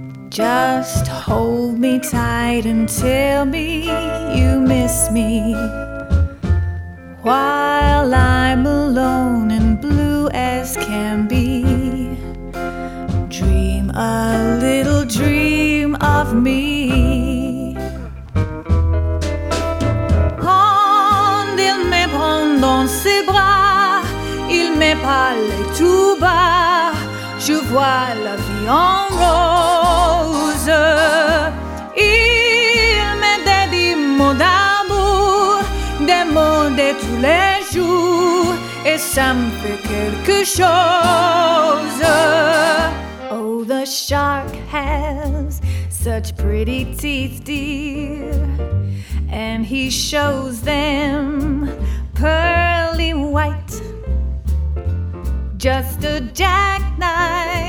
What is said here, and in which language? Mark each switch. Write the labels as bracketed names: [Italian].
[English] Just hold me tight and tell me you miss me. While I'm alone and blue as can be, dream a little dream of me. [French] Quand il me prend dans ses bras, il me parle tout bas, je vois la vie en rose. Il me dédie mon d'amour, des mots de tous les jours, et ça me fait quelque chose. [English] Oh, the shark has such pretty teeth, dear, and he shows them pearly white. Just a jackknife